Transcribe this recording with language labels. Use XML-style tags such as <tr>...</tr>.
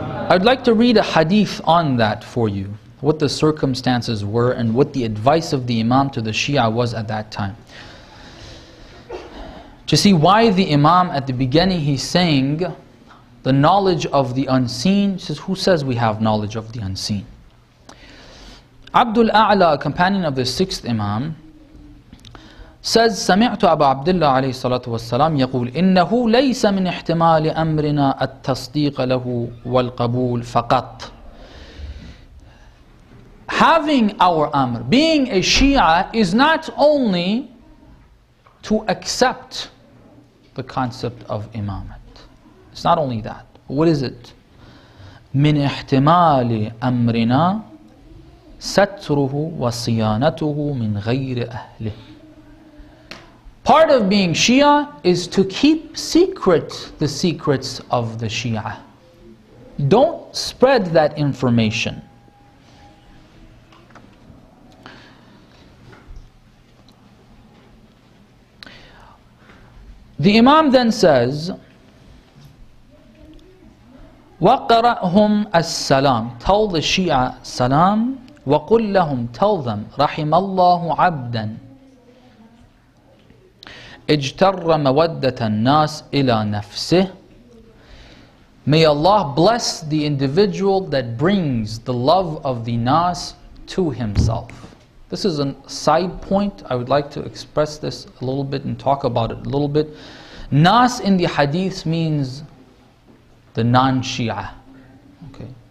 <en>I'd like to read a hadith on that for you, what the circumstances were and what the advice of the Imam to the Shia was at that time. To see why the Imam at the beginning he's saying the knowledge of the unseen, says, who says we have knowledge of the unseen? Abdul A'la, a companion of the sixth Imam, says,</en> <ar>سَمِعْتُ أَبَا عَبْدِ اللَّهِ عَلَيْهِ الصَّلَاةُ وَالسَّلَامُ يَقُولُ إِنَّهُ لَيْسَ مِنْ إِحْتِمَالِ أَمْرِنَا التَّصْدِيقَ لَهُ وَالْقَبُولِ فَقَطْ.</ar> <en>Having our amr, being a Shia, is not only to accept the concept of imamah. It's not only that. What is it?</en> <ar>مِنْ إِحْتِمَالِ أَمْرِنَا سَتْرُهُ وَصِيَانَتُهُ مِنْ غَيْرِ أَهْلِهِ.</ar> <en>Part of being Shia is to keep secret the secrets of the Shia. Don't spread that information. The Imam then says,</en> <ar>وَقَرَأْهُمْ السَّلَامُ.</ar> <en>Tell the Shia salam.</en> <ar>وَقُلْ لَهُمْ.</ar> <en>Tell them,</en> <ar>رَحِمَ اللَّهُ عَبْدًا اجْتَرَّ مَوَدَّةَ النَّاسِ إِلَى نَفْسِهِ.</ar> <en>May Allah bless the individual that brings the love of the Nas to himself. This is a side point. I would like to express this a little bit and talk about it a little bit. Nas in the Hadith means the non-Shia. Okay.</en>